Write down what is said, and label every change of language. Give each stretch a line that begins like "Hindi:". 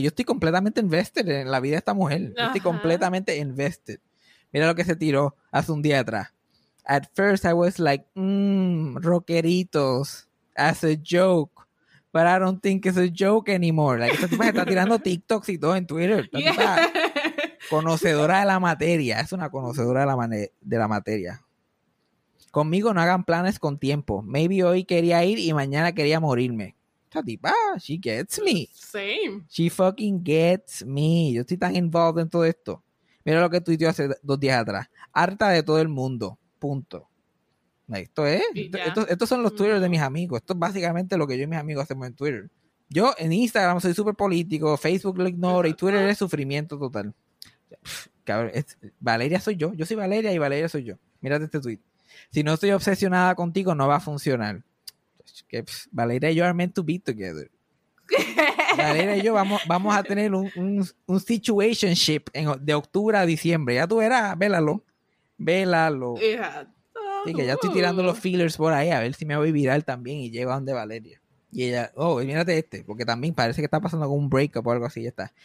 Spanish: Yo estoy completamente
English: invested
Spanish: en la vida de esta mujer. Yo estoy completamente invested. Mira lo que se tiró hace un día atrás.
English: At first, I was like, rockeritos, as a joke, but I don't think it's a joke anymore. Like,
Spanish: esa tipa está tirando TikToks y todo en Twitter. Yeah. Conocedora de la materia. Es una conocedora de la materia. Conmigo no hagan planes con tiempo.
English: Maybe
Spanish: hoy quería ir y mañana quería morirme. Esta tipa,
English: she gets me. Same. She fucking gets me.
Spanish: Yo estoy tan
English: involved
Spanish: en todo esto. Mira lo que tuiteó hace 2 días atrás. Harta de todo el mundo. Punto. Esto es. Estos son los Twitter de mis amigos. Esto es básicamente lo que yo y mis amigos hacemos en Twitter. Yo en Instagram soy súper político, Facebook lo ignoro y Twitter es sufrimiento total. Valeria soy yo. Yo soy Valeria y Valeria soy yo. Mírate este tweet. Si no estoy obsesionada contigo, no va a funcionar. Valeria y yo
English: are meant to be together.
Spanish: Valeria y yo vamos a tener un situationship de octubre a diciembre. Ya tú verás, Vélalo. Yeah. Sí, que ya estoy tirando los
English: feelers
Spanish: por ahí a ver si me voy viral también y llego a donde Valeria. Y ella, oh, y mírate este, porque también parece que está pasando algún
English: breakup
Spanish: o algo así. Ya está.